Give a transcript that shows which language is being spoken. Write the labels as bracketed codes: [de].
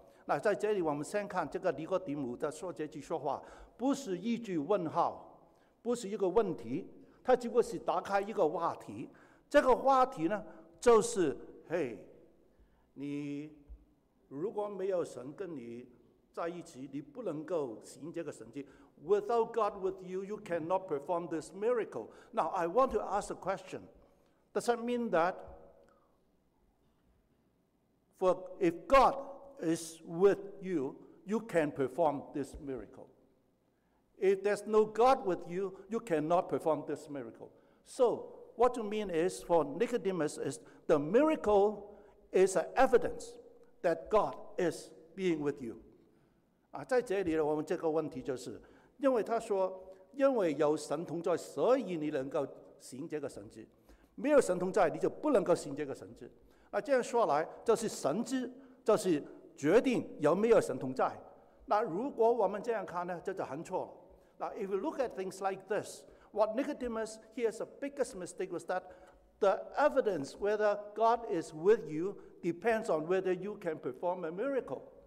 [zh] 那在这里我们先看这个尼哥底母的说这句说话，不是一句问号，不是一个问题，他只不过是打开一个话题。这个话题呢，就是，嘿，你如果没有神跟你在一起，你不能够行这个神迹。 [en] Without God with you, you cannot perform this miracle. Now, I want to ask a question. Does that mean that for if God is with you, you can perform this miracle? If there's no God with you, you cannot perform this miracle. So, what you mean is, for Nicodemus, is the miracle is an evidence that God is being with you. [zh] 在这里我们这个问题就是因为他说，因为有神同在，所以你能够行这个神迹；没有神同在，你就不能够行这个神迹。那这样说来，就是神迹，就是决定有没有神同在。那如果我们这样看呢，就很错了。 [en] Now, if you look at things like this, what Nicodemus here's the biggest mistake was that the evidence whether God is with you depends on whether you can perform a miracle.